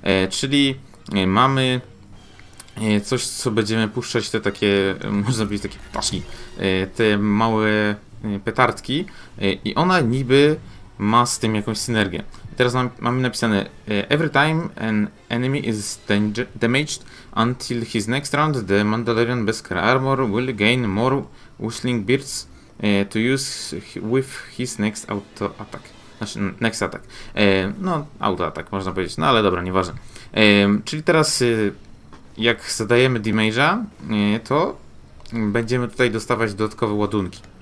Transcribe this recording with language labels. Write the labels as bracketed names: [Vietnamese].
[Polish] Czyli mamy coś, co będziemy puszczać, te takie, można powiedzieć, takie ptaszki, te małe petardki, i ona niby ma z tym jakąś synergię. Teraz mamy napisane: [English] every time an enemy is damaged until his next round, the Mandalorian Beskar Armor will gain more whistling beards to use with his next auto attack. [Polish] Znaczy, [English] next attack. [Polish] No, auto attack można powiedzieć, no ale dobra, nieważne. Czyli teraz jak zadajemy damage'a, to będziemy tutaj dostawać dodatkowe ładunki.